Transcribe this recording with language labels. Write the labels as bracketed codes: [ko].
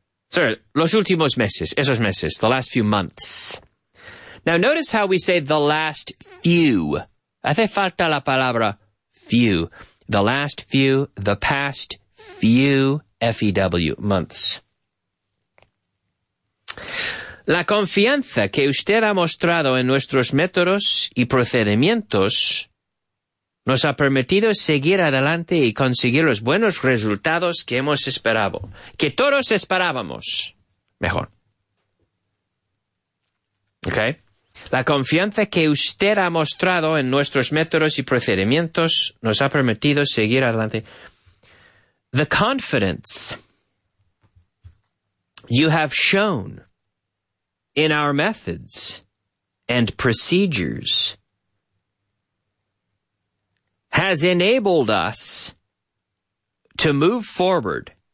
[en] Sorry, [es] los últimos meses, esos meses, [en] the last few months. Now notice how we say the last few. [es] Hace falta la palabra [en] few. The last few, the past few, F-E-W, months. [es] La confianza que usted ha mostrado en nuestros métodos y procedimientos nos ha permitido seguir adelante y conseguir los buenos resultados que hemos esperado, que todos esperábamos. Mejor. Okay. La confianza que usted ha mostrado en nuestros métodos y procedimientos nos ha permitido seguir adelante. [en] The confidence you have shown in our methods and procedures has enabled us to move forward.